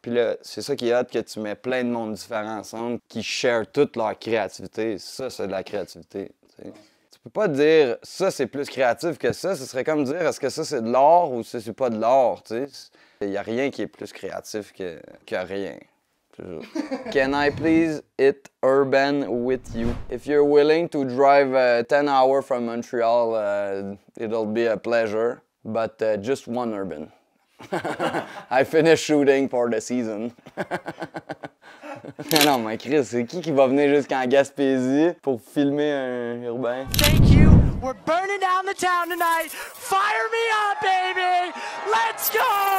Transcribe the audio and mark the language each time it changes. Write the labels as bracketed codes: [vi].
[fr] Puis là, c'est ça qui est hot, que tu mets plein de monde différents ensemble qui share toute leur créativité. Ça, c'est de la créativité. T'sais. Tu peux pas dire ça, c'est plus créatif que ça. Ce serait comme dire est-ce que ça, c'est de l'art ou ça, c'est pas de l'art. T'sais. Il y a rien qui est plus créatif que rien. [en] Can I please hit urban with you? If you're willing to drive 10 hours from Montreal, it'll be a pleasure. But just one urban. I finished shooting for the season. [fr] Non, mais Chris, c'est qui va venir jusqu'en Gaspésie pour filmer un urbain? [en] Thank you. We're burning down the town tonight. Fire me up, baby. Let's go.